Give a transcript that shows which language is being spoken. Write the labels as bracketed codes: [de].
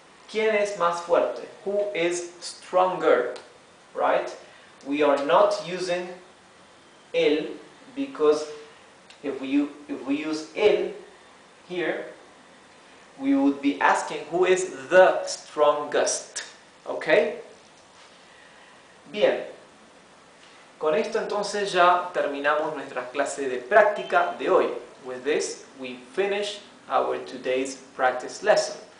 [es] ¿Quién es más fuerte? [en] Who is stronger, right? We are not using él because if we use él here, we would be asking who is the strongest, okay? [es] Bien, con esto entonces ya terminamos nuestra clase de práctica de hoy. [en] With this, we finish our today's practice lesson.